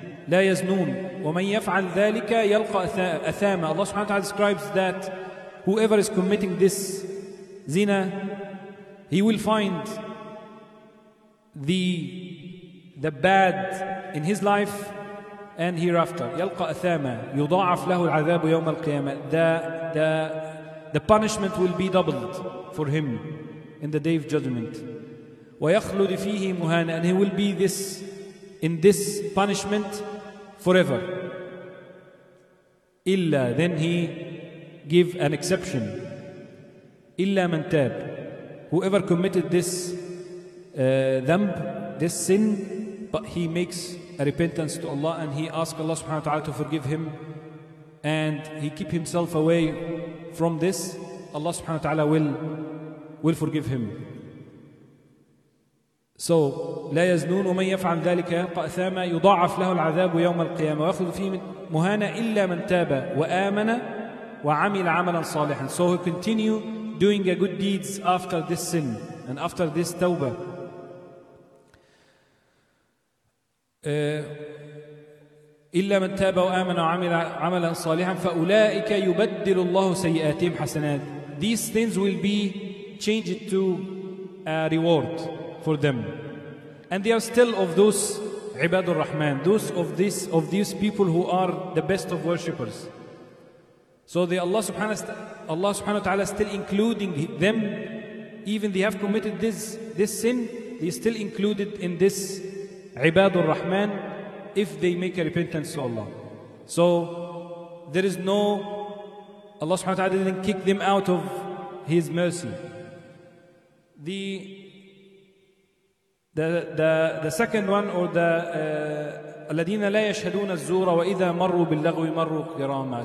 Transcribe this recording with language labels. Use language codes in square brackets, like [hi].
[ar] لا يزنون ومن يفعل ذلك يلقى أثاما. [en] Allah subhanahu wa ta'ala describes that whoever is committing this zina, he will find the bad in his life and hereafter. [ar] يلقى أثاما يضاعف له العذاب يوم القيامة. [en] The punishment will be doubled for him in the day of judgment. [ar] ويخلد فيه مهانا. [en] And he will be in this punishment forever. [ar] إلا. [en] Then he give an exception. [ar] إلا من تاب. [en] Whoever committed this ذنب, this sin, but he makes a repentance to Allah and he asks Allah subhanahu wa ta'ala to forgive him and he keep himself away from this, Allah subhanahu wa ta'ala will forgive him. [ar] So لا يزنون ومن يفعل ذلك يلقى أثاما يضاعف له العذاب يوم القيامة ويأخذ فيه مهانا إلا من تاب وآمن وعمل عملا صالحا. [en] So he continue doing a good deeds after this sin and after this tawbah. [ar] إلا من تاب وآمن وعمل عملا صالحا فأولئك يبدل الله سيئاتهم حسنات. [en] These things will be changed to a reward for them. And they are still of those [ar] عباد الرحمن, [en] those people who are the best of worshippers. So the Allah subhanahu wa ta'ala still including them, even they have committed this sin, they still included in this ibadur rahman if they make a repentance to Allah. So there is no, Allah subhanahu wa ta'ala didn't kick them out of his mercy. The The second one, or the [ar] الذين لا يشهدون الزور وإذا مروا باللغو مروا كراما.